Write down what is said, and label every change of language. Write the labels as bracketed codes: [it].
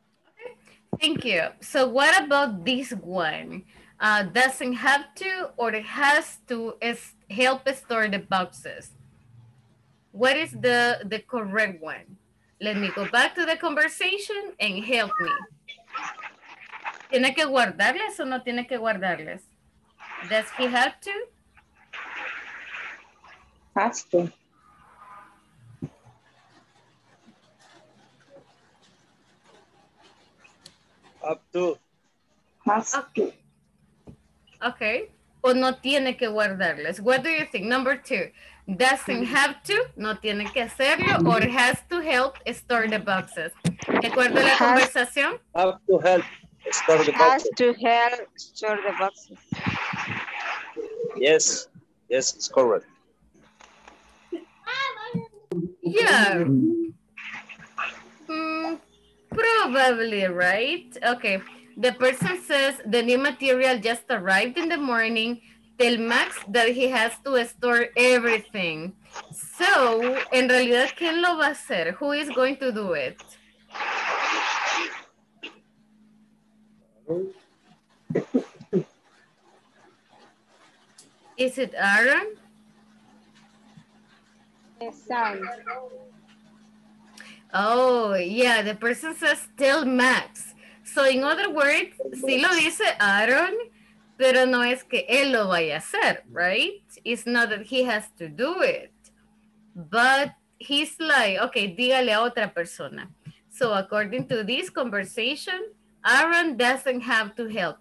[en] Okay. Thank you. So what about this one? Doesn't have to or has to help store the boxes? What is the correct one? Let me go back to the conversation and help me. [es] ¿Tiene que guardarles o no tiene que guardarles? [en] Does he have to? Has to. Have to. Has to. Okay. [es] O no tiene que guardarles. [en] What do you think? Number two. Doesn't have to, [es] no tiene que hacerlo, [en] or has to help store the boxes. [es] ¿De acuerdo a la conversación? [en] Have to help store the boxes. Has to help store the boxes. Yes, yes, it's correct. Yeah. Probably, right? Okay. The person says the new material just arrived in the morning. Tell Max that he has to store everything. [es] So, en realidad, ¿quién lo va a hacer? [en] Who is going to do it? Is it Aaron? Oh, yeah, the person says tell Max. So in other words, [es] sí lo dice Aaron, pero no es que él lo vaya a hacer, right? [en] It's not that he has to do it. But he's like, okay, [es] dígale a otra persona. [en] So according to this conversation, Aaron doesn't have to help.